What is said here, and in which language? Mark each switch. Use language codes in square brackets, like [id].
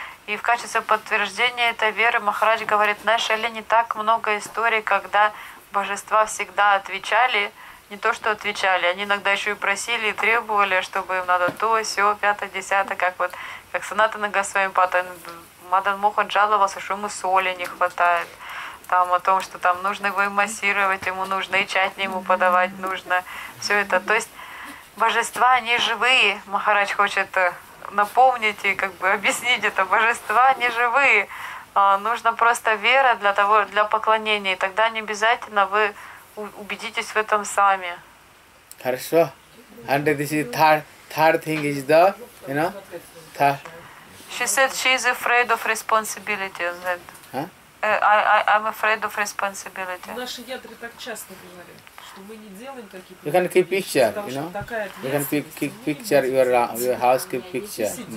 [ru] И в качестве подтверждения этой веры Махарадж говорит, наша ли не так много историй, когда Божества всегда отвечали, не то что отвечали, они иногда еще и просили и требовали, чтобы им надо то, сё, пятое, десятое, как вот, как Санатана Госвамипада, Мадан Мохан жаловался, что ему соли не хватает, там о том, что там нужно его и массировать, ему нужно и чатни ему подавать нужно, все это. То есть божества, они живые, Махарадж хочет напомнить и как бы объяснить это, божества, они живые. Нужна просто вера для того, для поклонения, и тогда не обязательно вы убедитесь в этом сами. Хорошо. [en] And this is third thing is the, you know, third. She said she is afraid of responsibility. Huh? I'm afraid of responsibility. [ru] Наши ядры так часто говорят, что мы не делаем такие. [en] You can keep picture, you know. You can keep picture your house, keep picture.